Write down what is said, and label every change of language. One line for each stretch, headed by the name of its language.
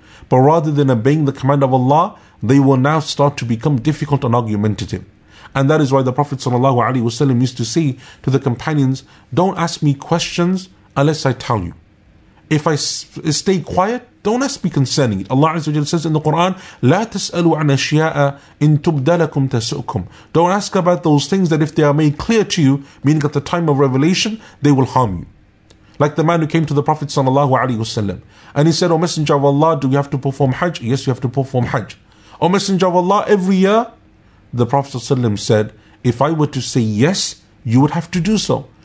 English: But rather than obeying the command of Allah, they will now start to become difficult and argumentative. And that is why the Prophet sallallahu alaihi wasallam used to say to the companions, don't ask me questions unless I tell you. If I stay quiet, don't ask me concerning it. Allah Azza wa Jalla says in the Quran,
Arabic: لا تسألوا عن أشياء إن تبدلكم تسؤكم.
English: Don't ask about those things that if they are made clear to you, meaning at the time of revelation, they will harm you. Like the man who came to the Prophet sallallahu alaihi wasallam, and he said, O Messenger of Allah, do we have to perform Hajj? Yes, you have to perform Hajj. O Messenger of Allah, every year? The Prophet sallallahu alaihi wasallam said, if I were to say yes, you would have to do so.